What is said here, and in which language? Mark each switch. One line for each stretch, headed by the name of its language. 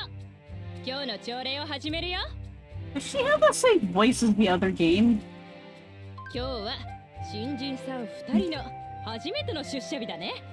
Japanese: みんな、おはよう。今日の朝礼を始めるよ。
English: Does she have the same voice as the other game?
Japanese: 今日は新人さん2人の初めての出社日だね。